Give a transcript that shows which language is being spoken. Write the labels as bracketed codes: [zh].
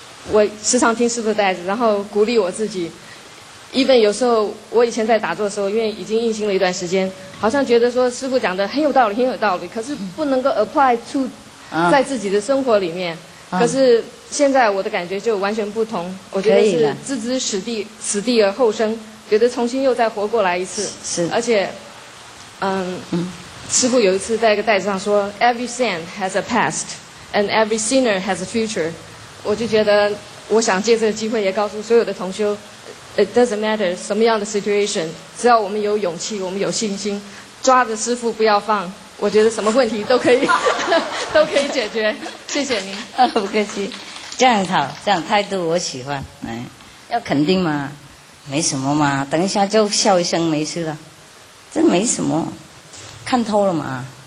[zh] 我时常听师父的带子，然后鼓励我自己。even 有时候我以前在打坐的时候，因为已经运行了一段时间，好像觉得说师父讲的很有道理，很有道理，可是不能够 [en] apply to [zh] 在自己的生活里面。可是现在我的感觉就完全不同，我觉得是自知死地而后生，觉得重新又再活过来一次。是，而且，师父有一次在一个袋子上说 ， [en] Every sin has a past, and every sinner has a future。 [zh] 我就觉得，我想借这个机会也告诉所有的同修 ， [en] It doesn't matter [zh] 什么样的 situation， 只要我们有勇气，我们有信心，抓着师父不要放。我觉得什么问题都可以，都可以解决。谢谢您。不客气，这样很好，这样态度我喜欢。哎，要肯定嘛，没什么嘛，等一下就笑一声没事了，这没什么，看透了嘛。